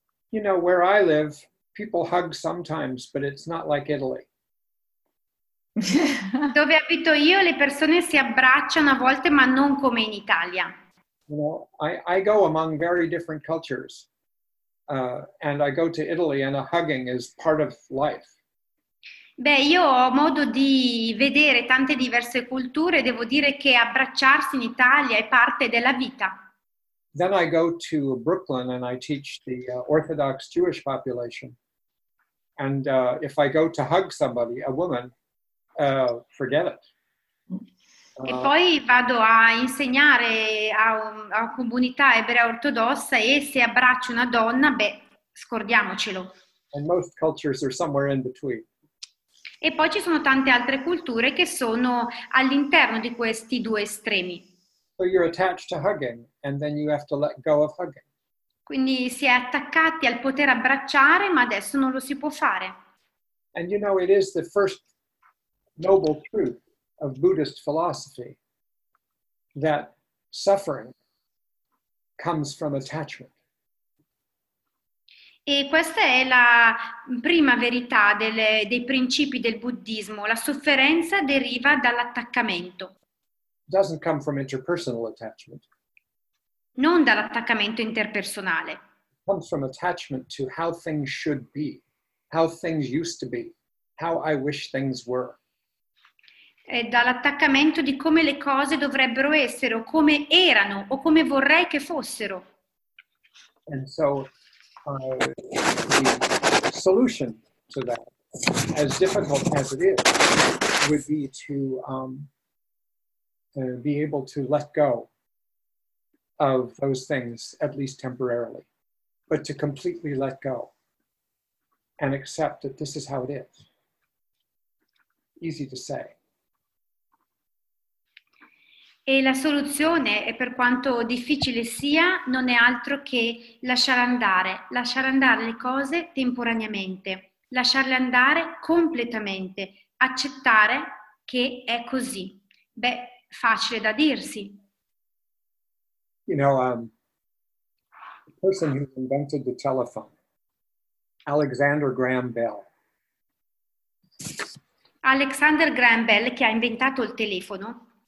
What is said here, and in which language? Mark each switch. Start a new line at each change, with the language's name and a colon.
English: You know, where I live, people hug sometimes, but it's not like Italy.
Italian: Dove abito io le persone si abbracciano a volte ma non come in Italia.
English: You know, I go among very different cultures. And I go to Italy and a hugging is part of life.
Italian: Beh, io ho modo di vedere tante diverse culture, devo dire che abbracciarsi in Italia è parte della vita.
English: Then I go to Brooklyn and I teach the Orthodox Jewish population. And if I go to hug somebody, a woman, forget it.
Italian: E poi vado a insegnare a comunità ebrea ortodossa e se abbraccio una donna, beh, scordiamocelo.
English: And most cultures are somewhere in between.
Italian: E poi ci sono tante altre culture che sono all'interno di questi due estremi.
English: So you're attached to hugging and then you have to let go of hugging.
Italian: Quindi si è attaccati al poter abbracciare, ma adesso non lo si può fare.
English: And you know it is the first noble truth of Buddhist philosophy that suffering comes from attachment.
Italian: E questa è la prima verità dei principi del buddismo. La sofferenza deriva dall'attaccamento.
English: Doesn't come from interpersonal attachment.
Italian: Non dall'attaccamento interpersonale.
English: It comes from attachment to how things should be, how things used to be, how I wish things were.
Italian: È dall'attaccamento di come le cose dovrebbero essere, o come erano, o come vorrei che fossero.
English: And so, the solution to that, as difficult as it is, would be to be able to let go of those things, at least temporarily, but to completely let go and accept that this is how it is. Easy to say.
Italian: E la soluzione, e per quanto difficile sia, non è altro che lasciare andare le cose temporaneamente, lasciarle andare completamente, accettare che è così. Beh, facile da dirsi.
English: You know, the person who invented the telephone, Alexander Graham Bell.
Italian: Alexander Graham Bell, che ha inventato il telefono.